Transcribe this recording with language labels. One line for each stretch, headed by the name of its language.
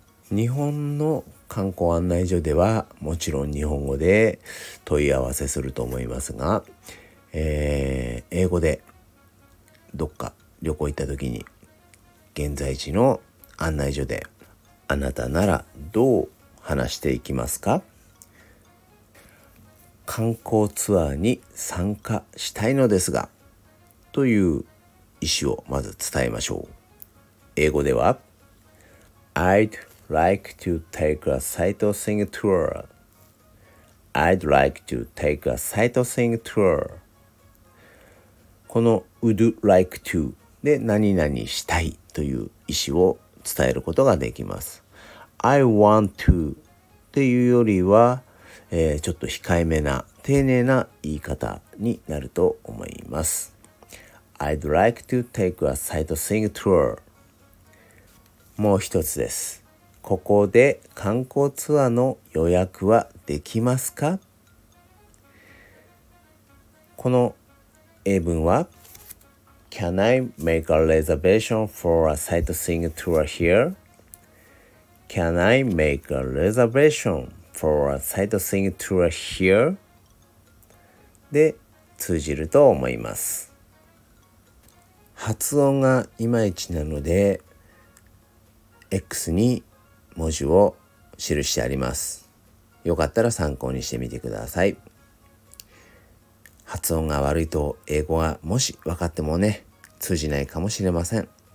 Japanese: 日本の観光案内所ではもちろん日本語で問い合わせすると思いますが、英語でどっか旅行行った時に現在地の案内所で、あなたならどう話していきますか？観光ツアーに参加したいのですが、という意思をまず伝えましょう。英語では
English: I'd like to take a sightseeing tour. I'd like to take a sightseeing tour.
Japanese: この
English: Would like to
Japanese: で何々したいという意思を伝えることができます。
English: I want to
Japanese: っていうよりは、ちょっと控えめな丁寧な言い方になると思います。
English: I'd like to take a sightseeing tour.
Japanese: もう一つです。ここで観光ツアーの予約はできますか？この英文は
English: Can I make a reservation for a sightseeing tour here? Can I make a reservation for a sightseeing tour here?
Japanese: で通じると思います。発音がいまいちなのでX に文字を記してあります。よかったら参考にしてみてください。発音が悪いと英語がもし分かってもね、通じないかもしれません。